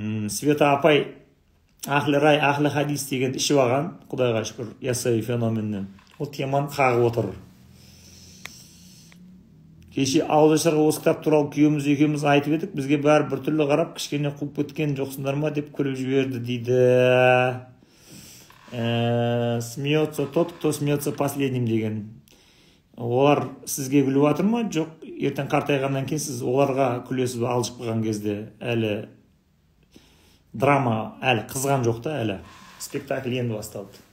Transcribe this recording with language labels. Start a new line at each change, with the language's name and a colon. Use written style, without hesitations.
Kazakh: Света апай ахлы рай, ахлы хадис деген ішіп алған, Құдайға шүкір, ясауи феноменнен. Ол теман қағып отыр. Кеше ауылдастарға осы кітап туралы күйеуіміз екеуміз айтып едік, бізге бәрі біртүрлі қарап, кішкене қуып кеткен жоқсыңдар ма деп күліп жіберді дейді.
Russian: Смеется тот, кто смеется последним деген.
Kazakh: Олар сізге күліп жатыр ма? Жоқ, ертең қартайғаннан кейін сіз оларға күлесіз бе, алжып қалған кезде әлі драма әлі қызған жоқ та, әлі спектакль енді басталды.